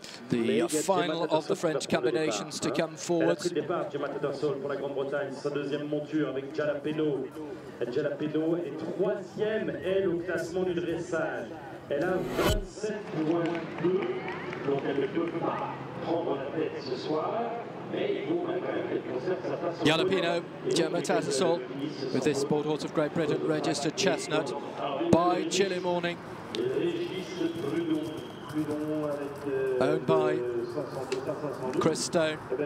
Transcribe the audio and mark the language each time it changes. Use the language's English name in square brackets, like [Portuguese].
[English] The final of the French combinations to come forwards. [French] Avec Jalapeno. Jalapeno est troisième, elle, au classement du dressage. Elle a 27.2, donc elle ne peut pas prendre la tête ce soir. [English] Yalapino, Gemma Tattersall, with this sport horse of Great Britain, registered chestnut by Chilly Morning. Owned by Chris Stone.